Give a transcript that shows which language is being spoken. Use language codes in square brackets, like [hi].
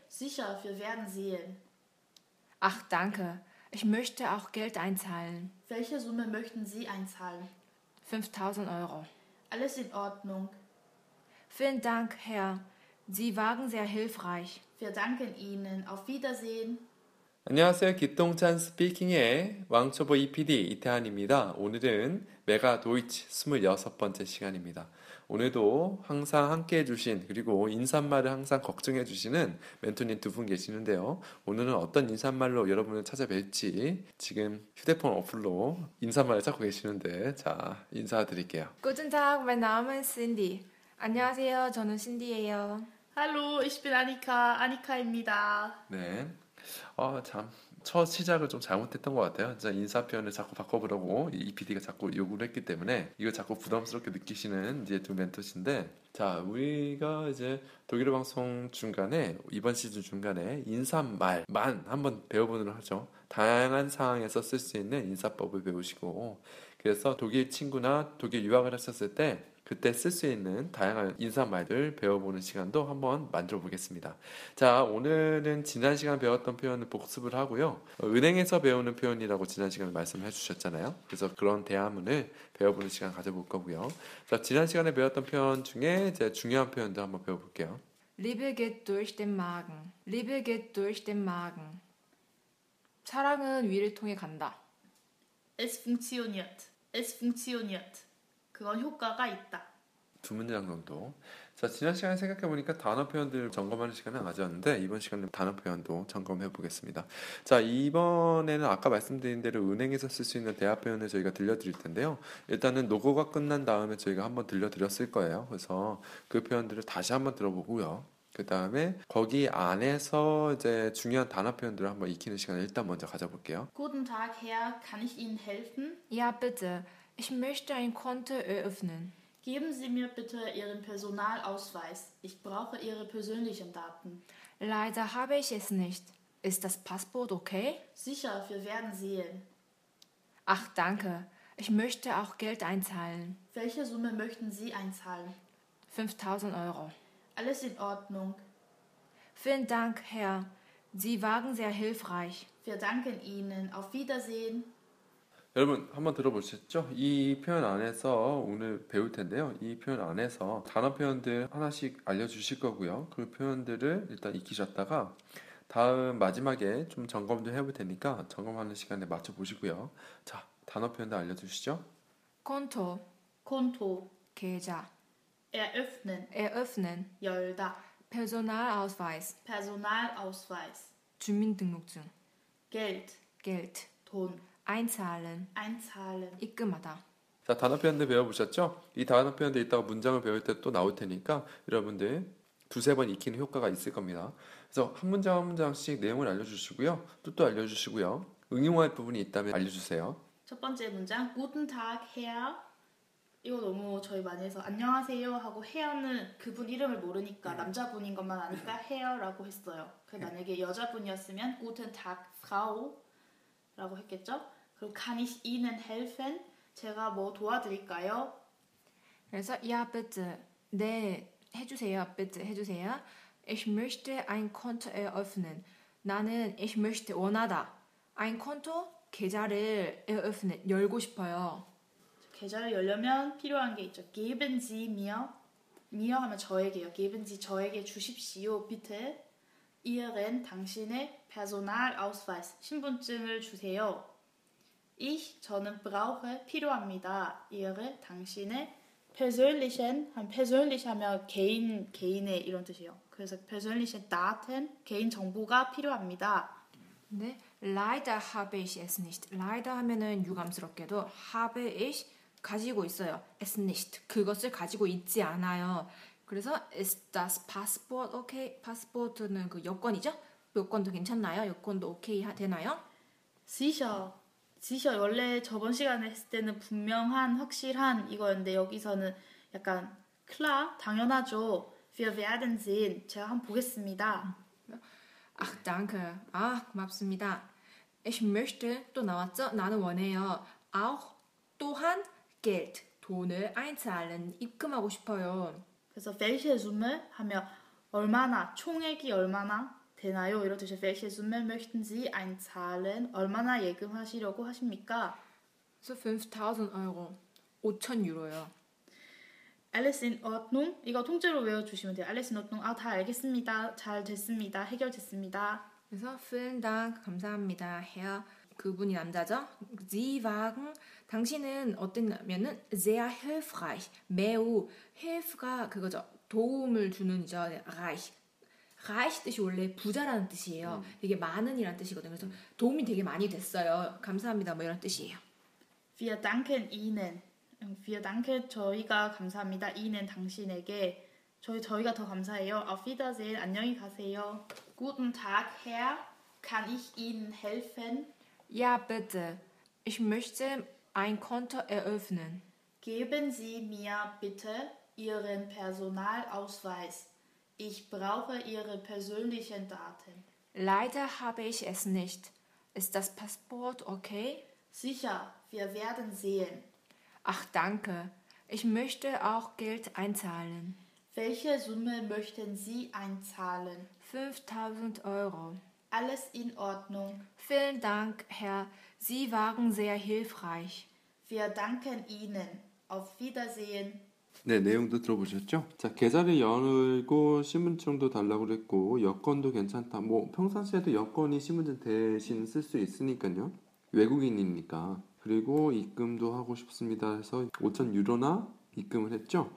[de] Sicher, wir werden sehen. Ach, danke. Ich möchte auch Geld einzahlen. Welche Summe möchten Sie einzahlen? 5000 Euro. Alles in Ordnung. Vielen Dank, Herr. Sie waren sehr hilfreich. Wir danken Ihnen. Auf Wiedersehen. [ko] 안녕하세요. 기똥찬 스피킹의 왕초보 EPD 이태한입니다. 오늘은 메가 도이치 26번째 시간입니다. 오늘도 항상 함께해 주신 그리고 인사말을 항상 걱정해 주시는 멘토님 두 분 계시는데요. 오늘은 어떤 인사말로 여러분을 찾아뵐지 지금 휴대폰 어플로 인사말을 찾고 계시는데 자 인사드릴게요. [de] Guten Tag, mein Name ist Cindy. [ko] 안녕하세요. 저는 신디예요. [de] Hallo, ich bin Annika. Annika입니다. [ko] 네. 참 첫 시작을 좀 잘못했던 것 같아요. 진짜 인사 표현을 자꾸 바꿔보라고 EPD가 자꾸 요구를 했기 때문에 이거 자꾸 부담스럽게 느끼시는 이제 두 멘토신데 자 우리가 이제 독일어 방송 중간에 이번 시즌 중간에 인사말만 한번 배워보도록 하죠. 다양한 상황에서 쓸 수 있는 인사법을 배우시고 그래서 독일 친구나 독일 유학을 하셨을 때 그때 쓸 수 있는 다양한 인사말들 배워보는 시간도 한번 만들어 보겠습니다. 자, 오늘은 지난 시간 배웠던 표현을 복습을 하고요. 은행에서 배우는 표현이라고 지난 시간에 말씀해 주셨잖아요. 그래서 그런 대화문을 배워보는 시간 가져볼 거고요. 자, 지난 시간에 배웠던 표현 중에 이제 중요한 표현도 한번 배워볼게요. [de] Liebe geht durch den Magen. Liebe geht durch den Magen. [ko] 사랑은 위를 통해 간다. [de] Es funktioniert. Es funktioniert. [ko] 그런 효과가 있다. 두 문장 정도. 자, 지난 시간에 생각해보니까 단어 표현들 점검하는 시간은 맞았는데 이번 시간에 단어 표현도 점검해보겠습니다. 자, 이번에는 아까 말씀드린 대로 은행에서 쓸 수 있는 대화 표현을 저희가 들려드릴 텐데요. 일단은 노고가 끝난 다음에 저희가 한번 들려드렸을 거예요. 그래서 그 표현들을 다시 한번 들어보고요. 그 다음에 거기 안에서 이제 중요한 단어 표현들을 한번 익히는 시간을 일단 먼저 가져볼게요. [de] Guten Tag, Herr. Kann ich Ihnen helfen? Ja, bitte. Ich möchte ein Konto eröffnen. Geben Sie mir bitte Ihren Personalausweis. Ich brauche Ihre persönlichen Daten. Leider habe ich es nicht. Ist das Passwort okay? Sicher, wir werden sehen. Ach, danke. Ich möchte auch Geld einzahlen. Welche Summe möchten Sie einzahlen? 5000 Euro. Alles in Ordnung. Vielen Dank, Herr. Sie waren sehr hilfreich. Wir danken Ihnen. Auf Wiedersehen. [ko] 여러분 한번 들어보셨죠? 이 표현 안에서 오늘 배울 텐데요. 이 표현 안에서 단어 표현들 하나씩 알려주실 거고요. 그 표현들을 일단 익히셨다가 다음 마지막에 좀 점검도 해볼 테니까 점검하는 시간에 맞춰보시고요. 자, 단어 표현들 알려주시죠. [de] 콘토 콘토 [ko] 계좌 [de] eröffnen eröffnen [ko] 열다 [de] Personalausweis Personalausweis [ko] 주민등록증 [de] Geld Geld [ko] 돈 [de] Einzahlen. Einzahlen. [ko] 입금하다. 자, 단어 표현들 배워보셨죠? 이 단어 표현들 이따가 문장을 배울 때 또 나올 테니까 여러분들 두세 번 익히는 효과가 있을 겁니다. 그래서 한 문장 한 문장씩 내용을 알려주시고요. 뜻도 알려주시고요. 응용할 부분이 있다면 알려주세요. 첫 번째 문장. [de] Guten Tag, Herr. [ko] 이거 너무 저희 많이 해서 안녕하세요 하고 헤어는 그분 이름을 모르니까 남자분인 것만 아니까 헤어라고 했어요. [de] 만약에 여자분이었으면 Guten Tag, Frau. [ko] 라고 했겠죠? [de] 그리고 Kann ich Ihnen helfen? [ko] 제가 뭐 도와드릴까요? [de] 그래서 Ja, bitte. [ko] 네, 해주세요. Bitte, 해주세요. [de] Ich möchte ein Konto eröffnen. [ko] 나는 [de] Ich möchte, [ko] 원하다. [de] Ein Konto? [ko] 계좌를 [de] eröffnen, [ko] 열고 싶어요. 계좌를 열려면 필요한 게 있죠. [de] Geben Sie mir. Mir [ko] 하면 저에게요. [de] Geben Sie [ko] 저에게 주십시오, [de] bitte. Ihren, [ko] 당신의 Personalausweis, 신분증을 주세요. [de] Ich, [ko] 저는 [de] brauche, [ko] 필요합니다. Ihre, 당신의 [de] persönlichen, [ko] 한 persönlich 하면 개인, 개인의 이런 뜻이에요. 그래서 [de] persönliche Daten, [ko] 개인 정보가 필요합니다. [de] 네, leider habe ich es nicht. Leider [ko] 하면은 유감스럽게도 [de] habe ich [ko] 가지고 있어요. [de] Es nicht, [ko] 그것을 가지고 있지 않아요. [de] 그래서 is das passport okay? [ko] passport는 그 여권이죠? 여권도 괜찮나요? 여권도 okay 되나요? [de] sicher. [ko] 지셔 원래 저번 시간에 했을 때는 분명한 확실한 이거였는데 여기서는 약간 클라 당연하죠. [de] Wir werden sehen. [ko] 제가 한번 보겠습니다. [de] Ach, danke. [ko] 아, 고맙습니다. [de] Ich möchte [ko] 또 나왔죠? 나는 원해요. [de] Auch [ko] 또한 Geld, 돈을 [de] einzahlen, [ko] 입금하고 싶어요. 그래서 [de] welche Summe [ko] 하면 얼마나, 총액이 얼마나 되나요? [de] 이렇듯이 welche Summe möchten Sie einzahlen? [ko] 얼마나 예금하시려고 하십니까? [de] So 5000 Euro. [ko] 5000 유로요. [de] Alles in Ordnung? [ko] 이거 통째로 외워주시면 돼요. [de] Alles in Ordnung. [ko] 아, 다 알겠습니다. 잘 됐습니다. 해결됐습니다. [de] 그래서 vielen Dank. [ko] 감사합니다. Herr. 그분이 남자죠? [de] Sie waren, [ko] 당신은 어땠냐면은 [de] sehr hilfreich. [ko] 매우 hilf가 그거죠. 도움을 주는 이죠. reich. reich 뜻이 원래 부자라는 뜻이에요. 되게 많은 이란 뜻이거든요. 그래서 도움이 되게 많이 됐어요. 감사합니다. 뭐 이런 뜻이에요. [de] Wir danken Ihnen. Wir danken [ko] 저희가 감사합니다. [de] Ihnen [ko] 당신에게 저희가 더 감사해요. [de] Auf Wiedersehen. [ko] 안녕히 가세요. [de] Guten Tag, Herr. Kann ich Ihnen helfen? Ja, bitte. Ich möchte ein Konto eröffnen. Geben Sie mir bitte Ihren Personalausweis. Ich brauche Ihre persönlichen Daten. Leider habe ich es nicht. Ist das Passport okay? Sicher, wir werden sehen. Ach, danke. Ich möchte auch Geld einzahlen. Welche Summe möchten Sie einzahlen? 5000 Euro. Alles in Ordnung. Vielen Dank, Herr. Sie waren sehr hilfreich. Wir danken Ihnen. Auf Wiedersehen. [ko] 네, 내용도 들어보셨죠? 자, 계좌를 열고 신분증도 달라고 그랬고 여권도 괜찮다. 뭐 평상시에도 여권이 신분증 대신 쓸 수 있으니까요. 외국인이니까. 그리고 입금도 하고 싶습니다 해서 5천 유로나 입금을 했죠.